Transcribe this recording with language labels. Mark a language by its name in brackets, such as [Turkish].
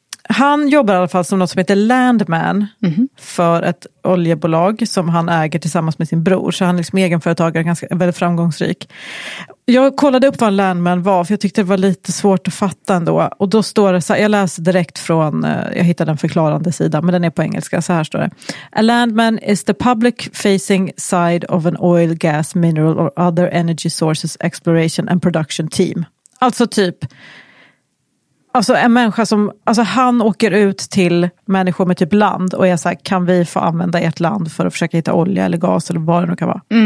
[Swedish] Han jobbar i alla fall som något som heter Landman för ett oljebolag som han äger tillsammans med sin bror. Så han är liksom egenföretagare, ganska väldigt framgångsrik. Jag kollade upp vad en Landman var, för jag tyckte det var lite svårt att fatta ändå. Och då står det så här, jag läser direkt från, jag hittade en förklarande sida, men den är på engelska. Så här står det. [English] A Landman is the public facing side of an oil, gas, mineral or other energy sources exploration and production team. [Swedish] Alltså typ... Alltså en människa som, alltså han åker ut till människor med typ land och är så här, kan vi få använda ert land för att försöka hitta olja eller gas eller vad det nu kan vara.